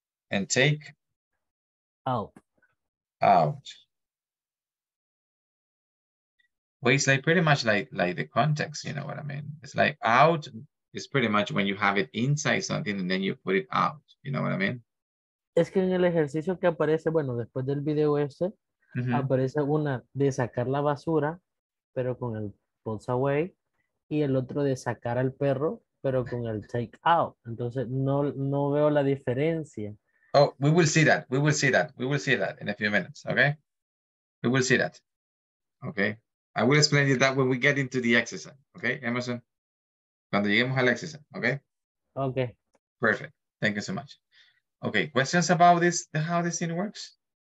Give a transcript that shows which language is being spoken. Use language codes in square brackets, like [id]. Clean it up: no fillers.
[en] And take out. Well, it's like pretty much like the context, you know what I mean? It's like out is pretty much when you have it inside something and then you put it out, you know what I mean? [es] Es que en el ejercicio que aparece, bueno, después del video ese, mm-hmm. aparece una de sacar la basura, pero con el puts away, y el otro de sacar al perro, pero con el take out. Entonces, no veo la diferencia. [en] Oh, we will see that. We will see that. We will see that in a few minutes, okay? We will see that. Okay? I will explain you that when we get into the exercise, okay, Emerson? [es] Cuando lleguemos al exercise, okay? [en] Okay. Perfect. Thank you so much. Okay, questions about this, how this thing works?